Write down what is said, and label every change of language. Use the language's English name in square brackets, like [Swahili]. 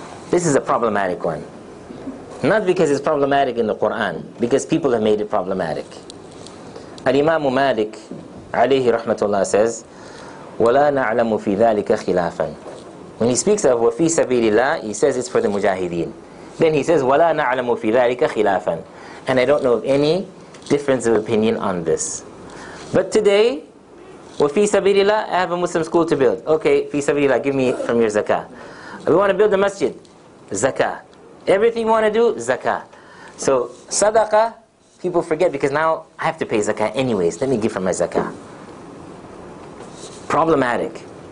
[English] This is a problematic one. Not because it's problematic in the Quran, because people have made it problematic. [Arabic] Al-Imam Malik, alayhi rahmatullah, says, وَلَا نَعْلَمُ فِي ذَلِكَ خِلَافًا. [English] When he speaks of وَفِي سَبِيلِ اللَّهِ, he says it's for the mujahideen. Then he says, [Arabic] وَلَا نَعْلَمُ فِي ذَلِكَ خِلَافًا. [English] And I don't know of any difference of opinion on this. But today, وَفِي سَبِيلِ اللَّهِ, I have a Muslim school to build. Okay, فِي سَبِيلِ اللَّهِ, give me from your zakah. We want to build a masjid. Zakah. Everything you want to do, zakah. So, sadaqah, people forget because now I have to pay zakah anyways. Let me give from my zakah. Problematic.